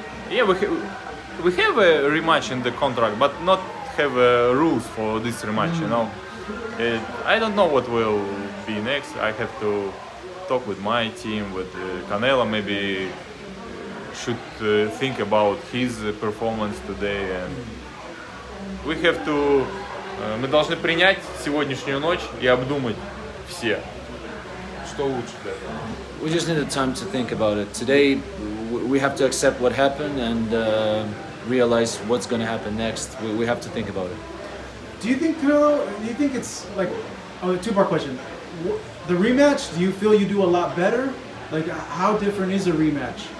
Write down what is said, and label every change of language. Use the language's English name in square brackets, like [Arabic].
[English] Yeah, we have a rematch in the contract, but not have rules for this rematch, you know. I don't know what will be next. I have to talk with my team, with Canelo, maybe should think about his performance today. And we have to... [Russian] Мы должны принять сегодняшнюю ночь и обдумать все, что лучше для этого. [English] We just need the time to think about it. Today, we have to accept what happened and realize what's going to happen next. We have to think about it. Do you think, Canelo, do you think it's like, a two-part question. The rematch, do you feel you do a lot better? Like, how different is a rematch?